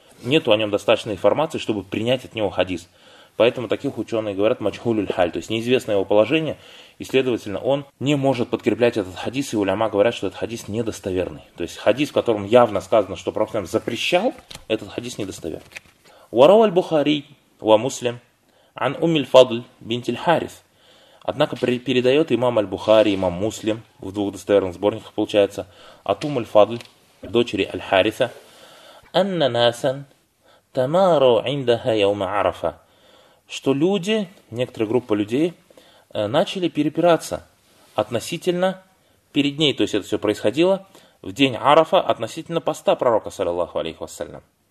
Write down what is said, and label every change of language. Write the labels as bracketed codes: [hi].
[ru] Нету о нем достаточной информации, чтобы принять от него хадис. Поэтому таких ученые говорят мачхулюль халь, то есть неизвестно его положение, и, следовательно, он не может подкреплять этот хадис, и уляма говорят, что этот хадис недостоверный. То есть хадис, в котором явно сказано, что Пророк запрещал, этот хадис недостоверный. [ar] وروى البخاري ومسلم عن أم الفضل بنت الحارث. [ru] Однако передает имам аль-Бухари, имам Муслим в двух достоверных сборниках получается, от Ум аль-Фадль, дочери аль-Хариса, [ar] анна насан тамару индаха яума арафа, [ru] что люди, некоторая группа людей, начали перепираться относительно перед ней, то есть это все происходило в день Арафа относительно поста пророка, саллиллаху алейхи вассалям.